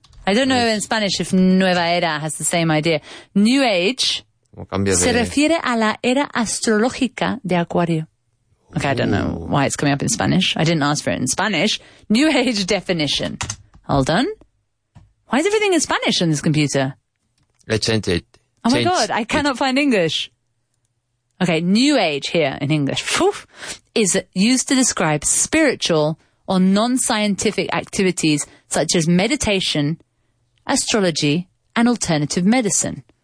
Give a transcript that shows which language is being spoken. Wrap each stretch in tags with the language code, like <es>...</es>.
<en>I don't know in Spanish if nueva era has the same idea. New age.</en> <es>Se refiere a la era astrológica de Acuario.</es> <en>Okay, I don't know why it's coming up in Spanish. I didn't ask for it in Spanish. New Age definition. Hold on. Why is everything in Spanish on this computer? I changed it. Oh my God, I cannot find English. Okay, New Age here in English. Phew, is used to describe spiritual or non-scientific activities such as meditation, astrology, and alternative medicine.</en>